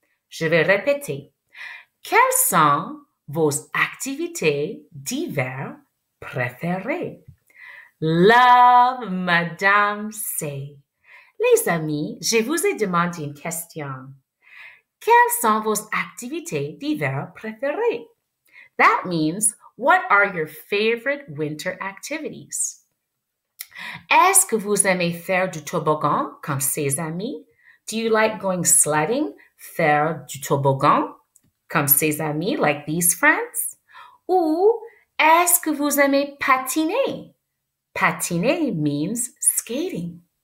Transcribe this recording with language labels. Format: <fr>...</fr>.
<fr>Je vais répéter. Quelles sont vos activités d'hiver préférées?</fr> <en>Love, Madame C.</en> <fr>Les amis, je vous ai demandé une question. Quelles sont vos activités d'hiver préférées?</fr> <en>That means, what are your favorite winter activities?</en> <fr>Est-ce que vous aimez faire du toboggan comme ses amis?</fr> <en>Do you like going sledding,</en> <fr>faire du toboggan? Comme ses amis,</fr> <en>like these friends?</en> <fr>Ou est-ce que vous aimez patiner?</fr> <en>Patiner means skating.</en>